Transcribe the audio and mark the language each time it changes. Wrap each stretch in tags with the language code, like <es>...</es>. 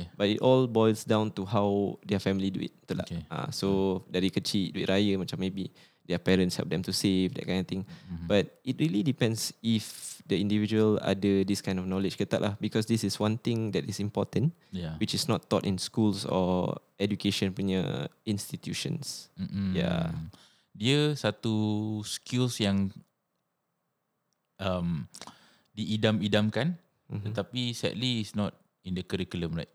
<en>But it all boils down to how their family do it. So</en> <ms>dari kecil duit raya, macam</ms> <en>maybe their parents help them to save, that kind of thing. But it really depends if the individual ada this kind of knowledge</en> <ms>ke tak lah.</ms> <en>Because this is one thing that is important, which is not taught in schools or education punya institutions.</en> <ms>Dia satu skills yang diidam-idamkan, Mm-hmm. Tetapi</ms> <en>sadly it's not in the curriculum, right?</en>